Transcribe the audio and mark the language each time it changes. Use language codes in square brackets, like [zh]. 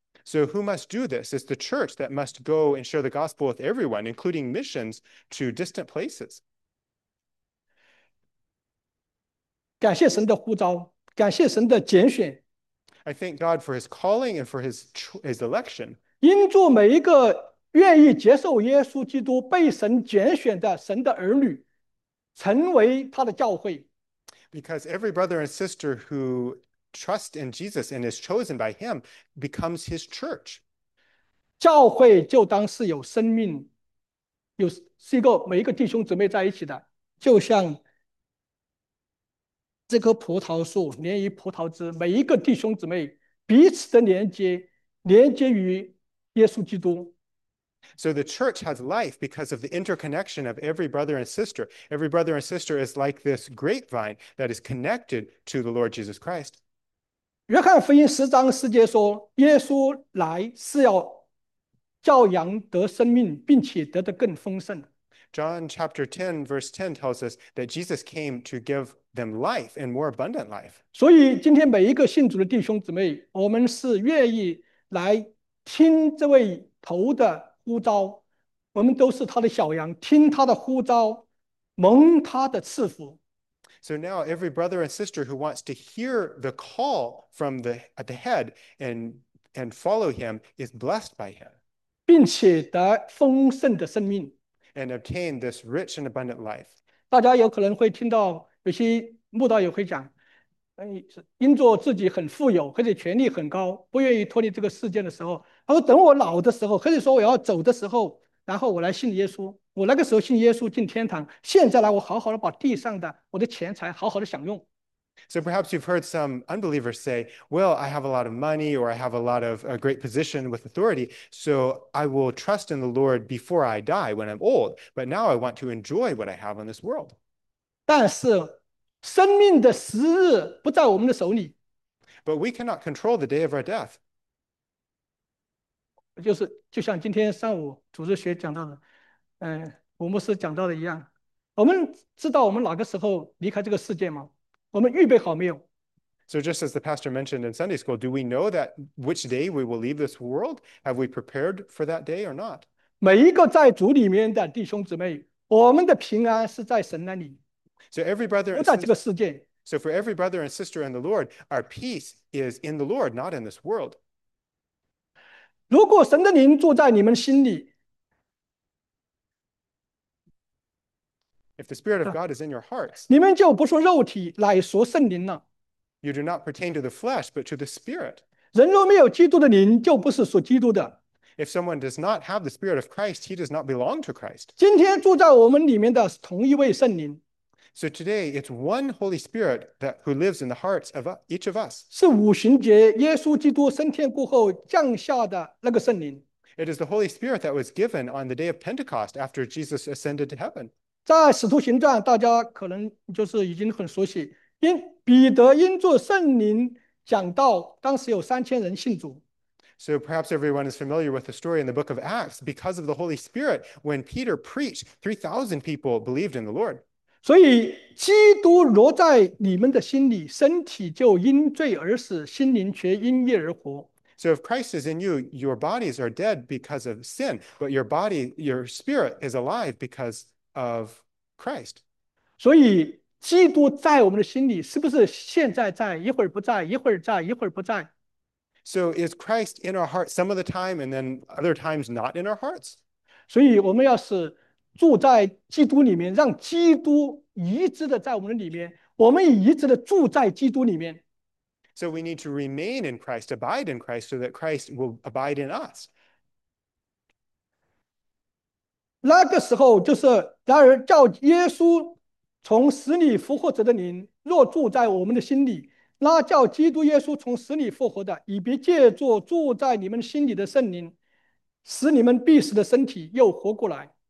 [en] So, who must do this? It's the church that must go and share the gospel with everyone, including missions to distant places. [zh] 感谢神的呼召，感谢神的拣选。 [en] I thank God for his calling and for his election. [zh] 因助每一个愿意接受耶稣基督被神拣选的神的儿女。成为他的教会。 [en] Because every brother and sister who trusts in Jesus and is chosen by him becomes his church. [zh] 教会就当是有生命有是一个每一个弟兄姊妹在一起的，就像这棵葡萄树连于葡萄枝，每一个弟兄姊妹彼此的连接，连接于耶稣基督。 [en] So the church has life because of the interconnection of every brother and sister. Every brother and sister is like this grapevine that is connected to the Lord Jesus Christ. [zh] 约翰福音十章十节说，耶稣来是要叫羊得生命，并且得的更丰盛。 [en] John chapter 10 verse 10 tells us that Jesus came to give them life and more abundant life. [zh] 所以今天每一个信主的弟兄姊妹，我们是愿意来听这位头的呼召，我们都是他的小羊，听他的呼召，蒙他的赐福。 [en] So now every brother and sister who wants to hear the call from the at the head and follow him is blessed by him. [zh] 并且得丰盛的生命。 [en] And obtain this rich and abundant life. [zh] 大家有可能会听到有些慕道友会讲，因着自己很富有，或者权力很高，不愿意脱离这个世界的时候，他说等我老的时候，或者说我要走的时候，然后我来信耶稣，我那个时候信耶稣进天堂，现在来我好好的把地上的我的钱财好好的享用。 [en] So perhaps you've heard some unbelievers say, well, I have a lot of money or I have a lot of a great position with authority, so I will trust in the Lord before I die when I'm old, but now I want to enjoy what I have in this world. [zh] 但是生命的时日不在我们的手里。 [en] But we cannot control the day of our death. [zh] 就像今天上午主日学讲到的，我牧师讲到的一样，我们知道我们哪个时候离开这个世界吗？我们预备好没有？ [en] So just as the pastor mentioned in Sunday school, do we know that which day we will leave this world? Have we prepared for that day or not? [zh] 每一个在主里面的弟兄姊妹，我们的平安是在神那里。 [en] So every brother and sister, [zh] 不在这个世界。 [en] So for every brother and sister in the Lord, our peace is in the Lord, not in this world. [zh] 如果神的灵住在你们心里， [en] If the Spirit of God is in your hearts, [zh] 你们就不属肉体，乃属圣灵了。 [en] You do not pertain to the flesh, but to the Spirit. [zh] 人若没有基督的灵，就不是属基督的。 [en] If someone does not have the Spirit of Christ, he does not belong to Christ. [zh] 今天住在我们里面的是同一位圣灵。 [en] So today, it's one Holy Spirit that who lives in the hearts of each of us. [zh] 是五旬节耶稣基督升天过后降下的那个圣灵。 [en] It is the Holy Spirit that was given on the day of Pentecost after Jesus ascended to heaven. [zh] 在使徒行传，大家可能就是已经很熟悉，彼得因着圣灵讲道，当时有3000人信主。 [en] So perhaps everyone is familiar with the story in the book of Acts. Because of the Holy Spirit, when Peter preached, 3,000 people believed in the Lord. [zh] 所以基督若在你们的心里，身体就因罪而死，心灵却因义而活。 [en] So if Christ is in you, your bodies are dead because of sin, but your body, your spirit is alive because of Christ. [zh] 所以基督在我们的心里，是不是现在在，一会儿不在，一会儿在，一会儿不在？ [en] So is Christ in our hearts some of the time and then other times not in our hearts? [zh] 所以我们要是住在基督里面，让基督一直的在我们的里面，我们也一直的住在基督里面。 [en] So we need to remain in Christ, abide in Christ, so that Christ will abide in us. [zh] 那个时候就是，然而叫耶稣从死里复活者的灵，若住在我们的心里，那叫基督耶稣从死里复活的，以别借着住在你们心里的圣灵，使你们必死的身体又活过来。